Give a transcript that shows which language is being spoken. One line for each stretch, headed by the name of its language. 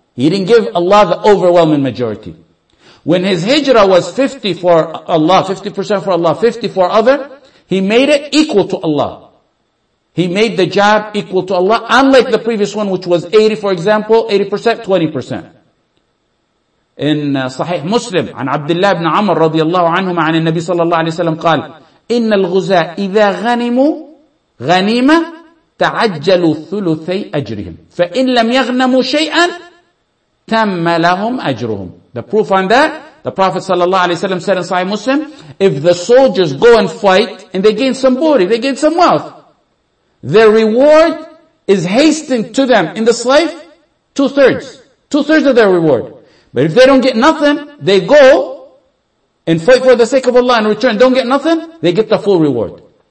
English: He didn't give Allah the overwhelming majority. When his hijrah was 50 for Allah, 50% for Allah, 50 for other, he made it equal to Allah. He made the jab equal to Allah, unlike the previous one, which was 80, for example, 80%, 20%.
Arabic: In Sahih Muslim, عن عبد الله بن عمر رضي الله عنهما عن النبي صلى الله عليه وسلم قال, إن الغزاة إذا غنموا غنيمة تعجلوا ثلثي أجرهم فإن لم يغنموا شيئا تم لهم أجرهم.
English: The proof on that, the Prophet صلى الله عليه وسلم said in Sahih Muslim, if the soldiers go and fight and they gain some booty, they gain some wealth, their reward is hastened to them in this life, two-thirds of their reward. But if they don't get nothing, they go and fight for the sake of Allah and return, don't get nothing, they get the full reward.